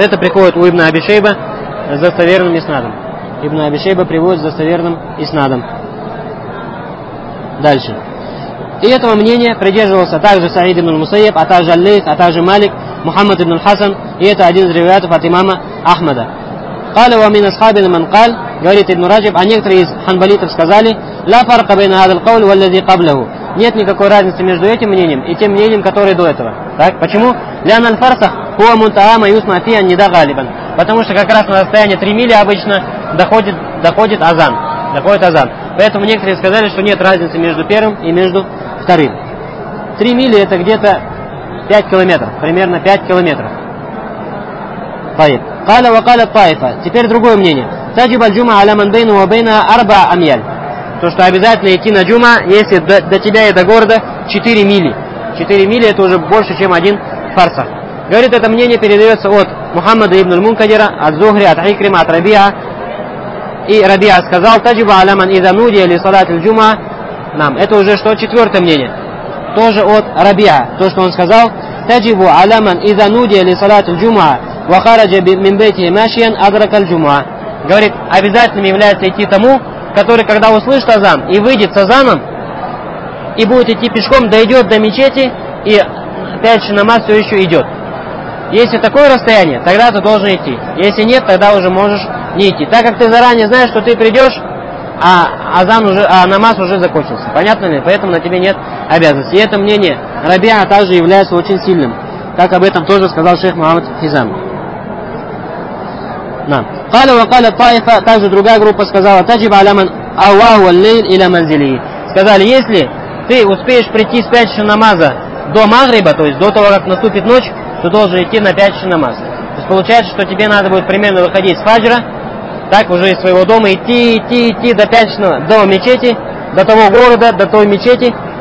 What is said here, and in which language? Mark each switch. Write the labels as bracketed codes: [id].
[ru] Это приходит у ибн Аби Шейба с достоверным иснадом. Ибн Аби Шейба приводит с достоверным иснадом. Дальше. И этого мнения придерживался также Саид ибн Мусаеб, а также Аль-Лейс, а также Малик, Мухаммад ибн Хасан, и это один из ревиатов от имама Ахмада. [ar] قال ومن أصحابنا من قال [ru] говорит [ar] ابن راجب [ru] а некоторые из ханбалитов сказали [ar] لا فرق بين هذا القول والذي قبله. [ru] Нет никакой разницы между этим мнением и тем мнением, которое до этого. Так почему? [ar] لأن الفرسخ هو منتهى يسمع فيه النداء غالبا. [ru] Потому что как раз на расстоянии 3 мили обычно доходит азан. Поэтому некоторые сказали, что нет разницы между первым и между вторым. 3 мили — это где-то 5 километров, примерно 5 километров. [ar] طيب. قال وقال الطائفة. [ru] Теперь другое мнение. [ar] تجب الجمعة على من بينه وبينها 4 أميال. [ru] То, что обязательно идти на джума, если до тебя и до города 4 мили. 4 мили — это уже больше, чем один фарса. Говорит, это мнение передается от Мухаммада ибн Мункадира, от Зухри, от Хикрима, от Рабиа. И Рабиа сказал, [ar] تجب على من إذا نودي لصلاة الجمعة. [ru] Нам. Это уже что? 4-е мнение. Тоже от Рабиа. То, что он сказал, [ar] تجب على من إذا نودي لصلاة الجمعة وخرج من بيته ماشيا أدرك الجمعة. [ru] Говорит, обязательным является идти тому, который, когда услышит азан и выйдет с азаном, и будет идти пешком, дойдет до мечети, и пятничный намаз все еще идет. Если такое расстояние, тогда ты должен идти. Если нет, тогда уже можешь не идти. Так как ты заранее знаешь, что ты придешь, а азан уже, а намаз уже закончился. Понятно ли? Поэтому на тебе нет обязанности. И это мнение Рабиа также является очень сильным. Как об этом тоже сказал шейх Мухаммад Хизам. [ar] قالوا وقال الطائفة [ru] также другая группа сказала [ar] تجب على من أواه الليل إلى منزله. [ru] Сказали, если ты успеешь прийти с пятничного намаза до магриба, то есть до того, как наступит ночь, то должен идти на пятничный намаз. То есть получается, что тебе надо будет примерно выходить с фаджра, так уже из своего дома идти до пятничного, до мечети, до того города, до той мечети.